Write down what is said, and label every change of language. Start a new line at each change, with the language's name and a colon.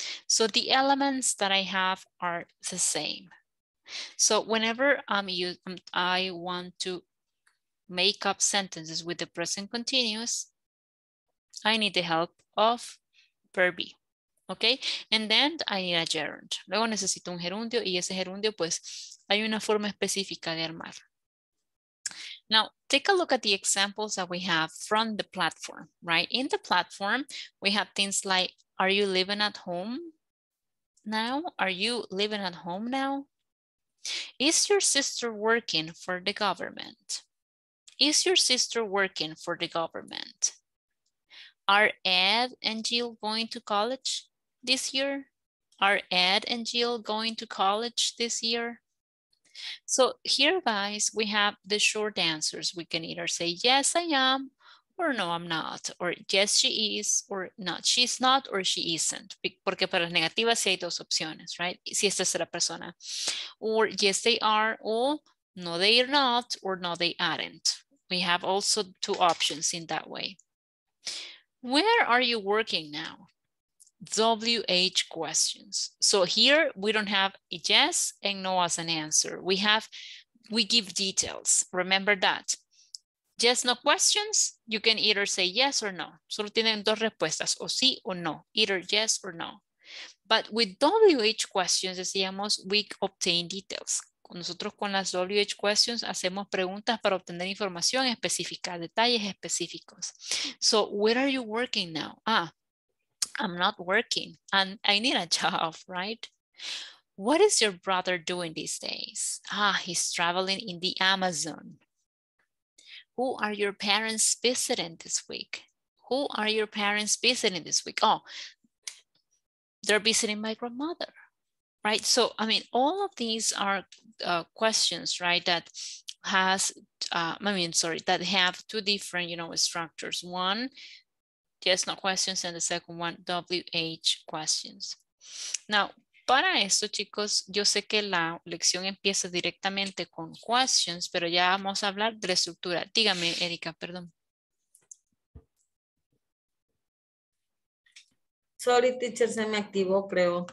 English: So the elements that I have are the same. So whenever I want to make up sentences with the present continuous, I need the help of verb be. Okay, and then I need a gerund.
Spanish: Luego necesito un gerundio, y ese gerundio, pues, hay una forma específica de armar.
English: Now, take a look at the examples that we have from the platform, right? In the platform, we have things like, are you living at home now? Are you living at home now? Is your sister working for the government? Is your sister working for the government? Are Ed and Jill going to college this year? Are Ed and Jill going to college this year? So here, guys, we have the short answers. We can either say, yes, I am, or no, I'm not, or yes, she is, or not, she's not, or she isn't.
Spanish: Porque para las negativas sí hay dos opciones, right? Si esta es la persona.
English: Or yes, they are, or no, they are not, or no, they aren't. We have also two options in that way. Where are you working now? WH questions. So here we don't have a yes and no as an answer. We give details. Remember that. Yes, no questions. You can either say yes or no.
Spanish: Solo tienen dos respuestas, o sí o no.
English: Either yes or no. But with WH questions, decíamos, we obtain details.
Spanish: Nosotros con las WH questions hacemos preguntas para obtener información específica, detalles específicos.
English: So where are you working now? Ah, I'm not working and I need a job, right? What is your brother doing these days? Ah, he's traveling in the Amazon. Who are your parents visiting this week? Who are your parents visiting this week? Oh, they're visiting my grandmother, right? So, I mean, all of these are questions, right, that has, that have two different, you know, structures. One, yes, no questions, and the second one, WH questions.
Spanish: Now, para esto, chicos, yo sé que la lección empieza directamente con questions, pero ya vamos a hablar de la estructura. Dígame, Erika, perdón.
English: Sorry, teacher,
Spanish: se me activó, creo.